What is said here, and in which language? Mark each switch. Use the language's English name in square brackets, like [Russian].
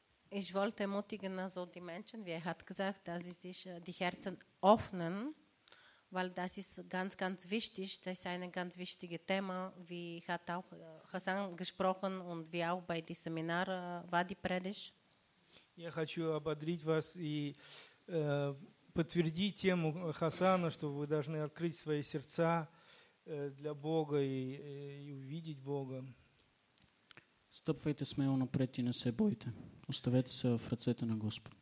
[German] Ich wollte mutigen also die Menschen, wie er hat gesagt, dass sie sich die Herzen öffnen. Weil das ist ganz, ganz wichtig. Das ist ein ganz wichtiges Thema. Wie hat auch Hasan gesprochen und wie auch bei dem Seminar war die Predigt. [Russian] Я хочу ободрить вас и подтвердить тему Хасана, что вы должны открыть свои сердца для Бога и увидеть Бога. [Bulgarian] Стъпвайте смело напред и не се бойте. Оставете се в ръцете на Господ.